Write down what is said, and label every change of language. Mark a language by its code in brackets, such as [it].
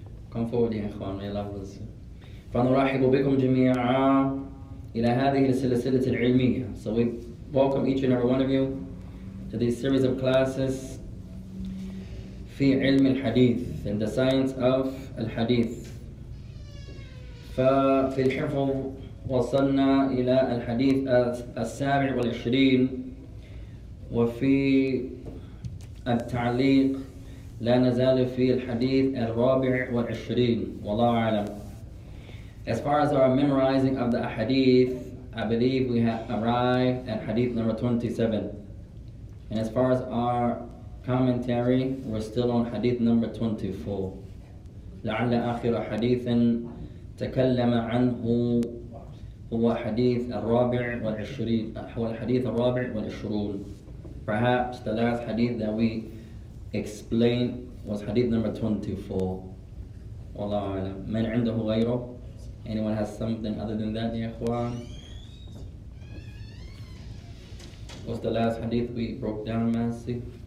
[en] Come forward, ikhwan, may Allah bless you. [ar] فَنُرَحِّبُ بِكُمْ جَمِيعًا إِلَى هَذِهِ السِّلَسِلَةِ الْعِلْمِيَةِ. [en] So we welcome each and every one of you to these series of classes [ar] في علم الحديث, [en] in the science of الحديث. [ar] ففي الحفظ وصلنا إلى الحديث السابع والعشرين وفي التعليق لا نزال في الحديث الرابع والعشرين والله أعلم. [en] As far as our memorizing of the hadith, I believe we have arrived at hadith number 27. And as far as our commentary, we're still on hadith number 24. [ar] لعل آخر حديث تكلم عنه هو حديث الرابع والعشرين هو الحديث الرابع والعشرون. [en] Perhaps the last hadith that we explained was hadith number 24. [ar] والله أعلم. من عنده غيره? [en] Anyone has something other than that, [ar] يا إخوان? [en] What's the last hadith we broke down, Masi?